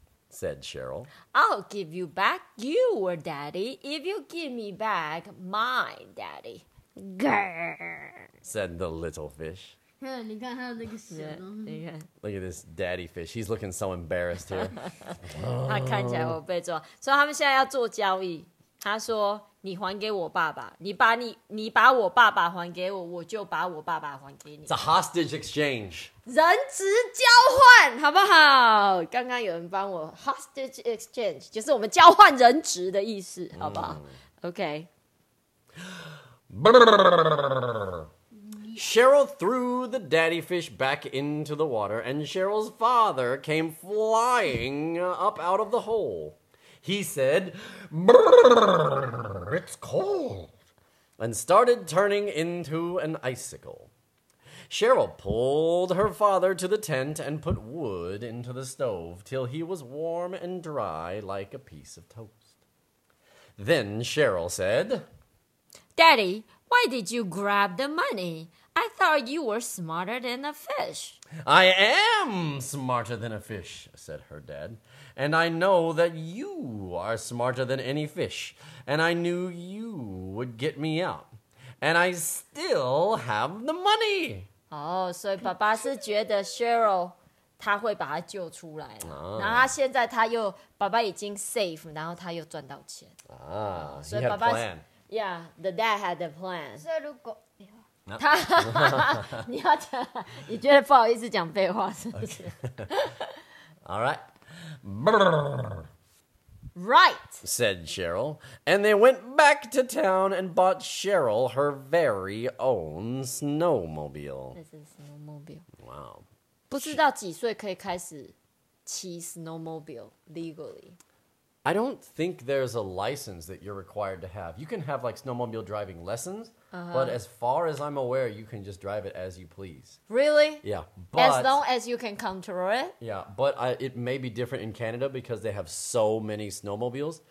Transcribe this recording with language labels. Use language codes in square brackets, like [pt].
[en] said Cheryl, I'll give you back your daddy if you give me back my daddy. Grrr, said the little fish. Look at this daddy fish. He's looking so embarrassed here. [zh] 他看起来会被抓。所以他们现在要做交易。他说你还给我爸爸，你把我爸爸还给我，我就把我爸爸还给你。 [en] It's a hostage exchange. [zh] 人质交换，好不好？刚刚有人帮我 hostage exchange 就是我们交换人质的意思，好不好 ？OK. [en] Cheryl threw the daddy fish back into the water, and Cheryl's father came flying up out of the hole. He said, it's cold, and started turning into an icicle. Cheryl pulled her father to the tent and put wood into the stove till he was warm and dry like a piece of toast. Then Cheryl said, Daddy, why did you grab the money? I thought you were smarter than a fish. I am smarter than a fish, said her dad. And I know that you are smarter than any fish. And I knew you would get me out. And I still have the money. [zh] Oh, so 爸爸是觉得 Cheryl 他会把他救出来了。 [en] Oh. [zh] 然后他现在他又爸爸已经 safe， 然后他又赚到钱。 [en] Ah, so he had a plan. Yeah, the dad had a plan. [zh] So 如果 [en] No. [zh] 他，你要讲，你觉得不好意思讲废话是不是、 [en] okay. ？All right, right," said Cheryl, and they went back to town and bought Cheryl her very own snowmobile. This is snowmobile. Wow. [zh] 不知道几岁可以开始骑 snowmobile legally. [en] I don't think there's a license that you're required to have. You can have like snowmobile driving lessons. Uh-huh. But as far as I'm aware, you can just drive it as you please. Really? Yeah. But, as long as you can control it? Yeah, but it may be different in Canada because they have so many snowmobiles.